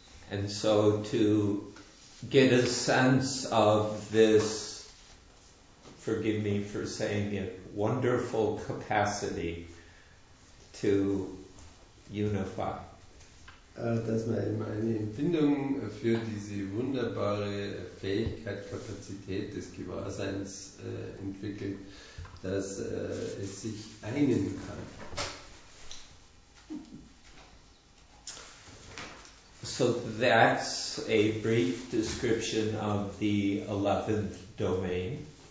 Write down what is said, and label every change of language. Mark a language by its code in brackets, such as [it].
[en] And so to get a sense of this, forgive me for saying it, wonderful capacity to unify. [de] Dass man eben eine Empfindung für diese wunderbare Fähigkeit, Kapazität des Gewahrseins entwickelt, dass es sich einen kann. [en] So that's a brief description of the 11th domain.